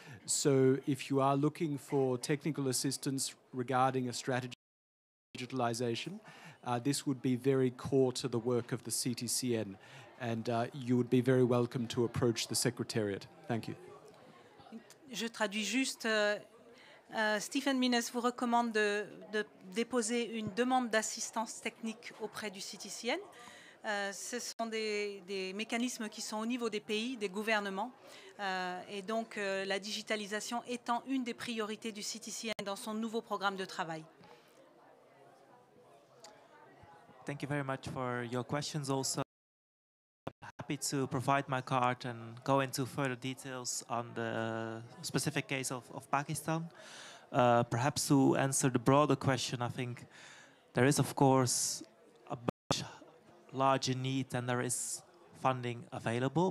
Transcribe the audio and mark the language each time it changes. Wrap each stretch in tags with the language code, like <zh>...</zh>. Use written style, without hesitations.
<en>So if you are looking for technical assistance regarding a strategy for digitalization, this would be very core to the work of the CTCN, and you would be very welcome to approach the Secretariat. Thank you.</en> <fr>Je traduis juste. Stephen Minnes vous recommande de déposer une demande d'assistance technique auprès du CTCN. Ce sont des mécanismes qui sont au niveau des pays, des gouvernements. Et donc, la digitalisation étant une des priorités du CTCN dans son nouveau programme de travail.</fr> <en>Thank you very much for your questions also. I'm happy to provide my card and go into further details on the specific case of Pakistan. Perhaps to answer the broader question, I think there is, of course, a much larger need than there is funding available.</en>